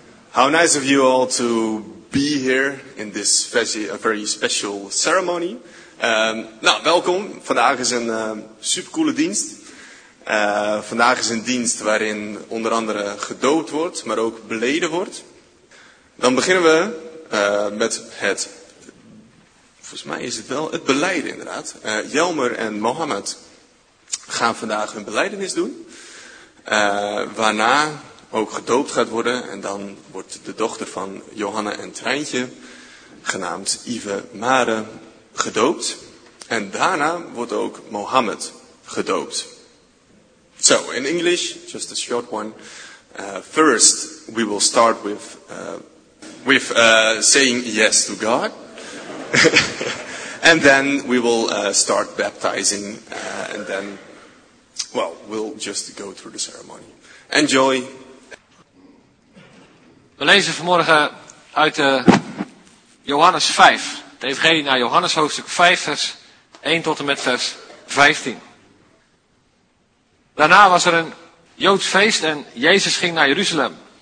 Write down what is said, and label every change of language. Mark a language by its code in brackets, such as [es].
[en] How nice of you all to be here in this very special ceremony. [nl] Welkom. Vandaag is een supercoole dienst. Vandaag is een dienst waarin onder andere gedoopt wordt, maar ook beleden wordt. Dan beginnen we met het, volgens mij is het wel, het beleiden inderdaad. Jelmer en Mohammed gaan vandaag hun belijdenis doen. Waarna ook gedoopt gaat worden. En dan wordt de dochter van Johanna en Treintje, genaamd Ive Mare, gedoopt. En daarna wordt ook Mohammed gedoopt. [en] So, in English, just a short one. First, we will start with saying yes to God. And then we will start baptizing. And then, well, we'll just go through the ceremony. Enjoy. [nl] We lezen vanmorgen uit Johannes 5. De Evangelie naar Johannes hoofdstuk 5, vers 1 tot en met vers 15. Daarna was er een Joods feest en Jezus ging naar Jeruzalem.